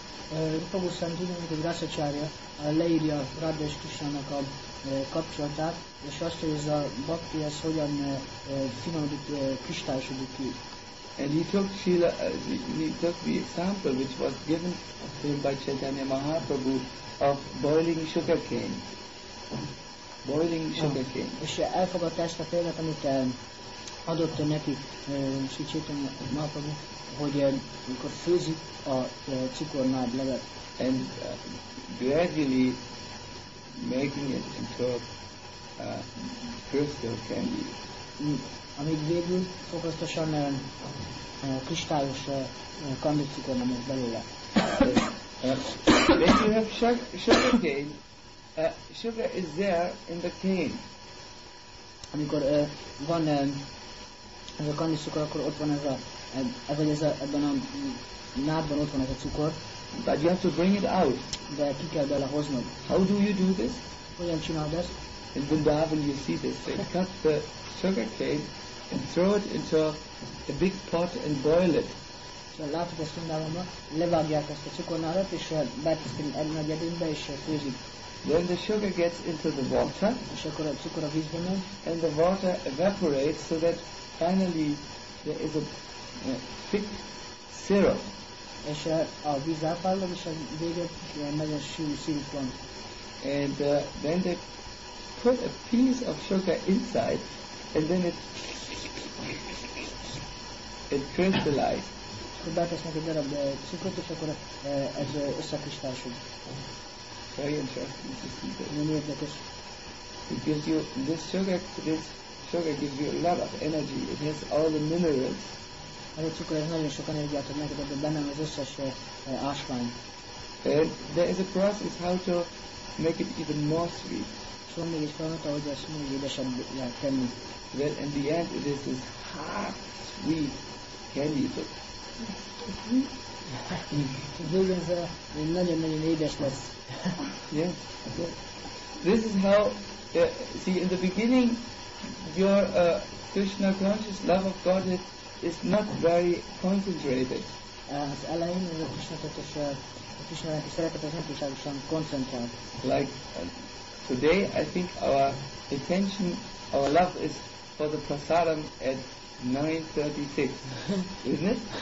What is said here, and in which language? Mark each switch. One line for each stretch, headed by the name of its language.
Hungarian: Rupa Goswami tudom, hogy Rasacharya leírja Radha és Krishna-nak a kapcsolatát, és azt, hogy ez a bhakti, ez hogyan finomodik, kristályosodik ki.
English: And he took Srila, he took the example which was given to him by Chaitanya Mahaprabhu of boiling sugar cane. Boiling sugar cane.
Hungarian: És elfogadta ezt a példát, amit adott neki Sri Chaitanya Mahaprabhu, hogy amikor főzik a cukornád levet.
English: And gradually making it into a crystal candy.
Hungarian: Amíg végül fokozatosan kristályos kandi cukor nem lesz belőle.
English: When you have sugar cane, sugar is there in the cane.
Hungarian: Amikor van ez a kandi cukor, akkor ott van ez a ebben a nádban ott van ez a cukor.
English: But you have to bring it out.
Hungarian: De ki kell bele hoznod.
English: How do you do this?
Hungarian: Hogyan csinálod ezt?
English: In Vrindavan you see this. They cut the sugar cane and throw it into a big pot and boil it.
Hungarian: Látod ezt Vrindavanban, levágják ezt a cukornádat, és beteszik egy nagy edénybe, és főzik.
English: Then the sugar gets into the water.
Hungarian: És akkor a cukor a vízbe megy.
English: And the water evaporates so that finally there is a thick syrup.
Hungarian: És a víz elfáradt, és a végén nagyon sűrű szirup van.
English: And then they put a piece of sugar inside, and then it crystallized.
Hungarian: Akkor beletesznek egy darab cukrot, és akkor ez összekristálosod.
English: Very interesting to see that.
Hungarian: Nagyon érdekes.
English: Because this sugar gives you a lot of energy. It has all the minerals.
Hungarian: Ez a cukor, ez nagyon sok energiát ad neked, de benne az összes ásvány.
English: There is a process how to make it even more sweet.
Hungarian: So még egy folyamat, ahogy ezt még édesebb tenni.
English: Well, in the end, it is this hot, sweet candy.
Hungarian: Végül ez nagyon-nagyon édes lesz.
English: Yes. This is how, see, in the beginning, your Krishna conscious love of Godhead is not very concentrated.
Hungarian: Az elején a Krishna-tudatos, a Krishna-lelki szeretet az nem túlságosan koncentrált.
English: Like today, I think our attention, our love is for the prasadam at 9:36, isn't it?